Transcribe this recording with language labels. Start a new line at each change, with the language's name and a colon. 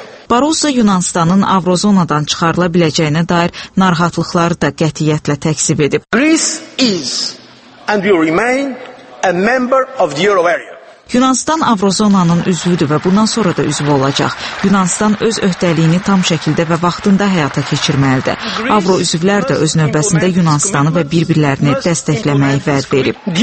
Azerbaijani: Barroso Yunanistanın Avrozonadan çıxarıla biləcəyinə dair narahatlıqları da qətiyyətlə təksib edib.
English: Greece is and will remain a member of the euro area.
Azerbaijani: Yunanistan Avrozonanın üzvüdür və bundan sonra da üzv olacaq. Yunanistan öz öhdəliyini tam şəkildə və vaxtında həyata keçirməlidir. Avro üzvlər də öz növbəsində Yunanistanı və bir-birlərini dəstəkləməyi vəd verib.